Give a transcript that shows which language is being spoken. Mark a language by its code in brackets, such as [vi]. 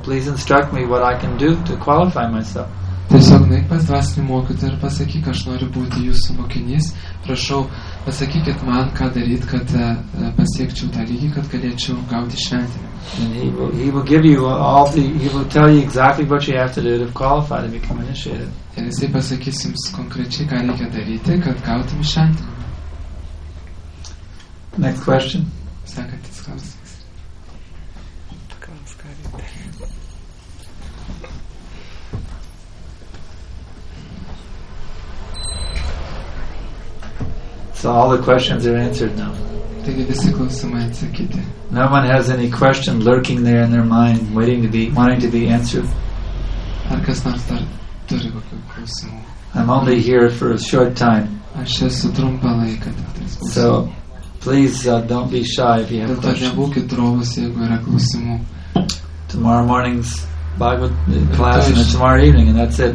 [en] Please instruct me what I can do to qualify myself. [lt] Tiesiog neik pas dvasinį mokytą ir pasakyk, aš noriu būti jūsų mokinys. Prašau, pasakykit man, ką daryt, kad pasiekčiau tą lygį, kad galėčiau gauti šventinį. [en] And he will give you all the, he will tell you exactly what you have to do to qualify to become initiated. [lt] Ir jisai pasakys jums konkrečiai, ką reikia daryti, kad gautum šventinį. [en] Next question. [lt] Sekantis klausimas. [en] So all the questions are answered now. [lt] Taigi visi klausimai atsakyti. [en] No one has any question lurking there in their mind, waiting to be, wanting to be answered. [lt] Ar kas nors dar turi kokių klausimų? [en] I'm only here for a short time. [lt] Aš esu trumpą laiką. [en] So please don't be shy if you have questions. [lt] Dėl to nebūkit drovus, jeigu yra klausimų. [en] Tomorrow morning's Bhagavatam class and tomorrow evening, and that's it.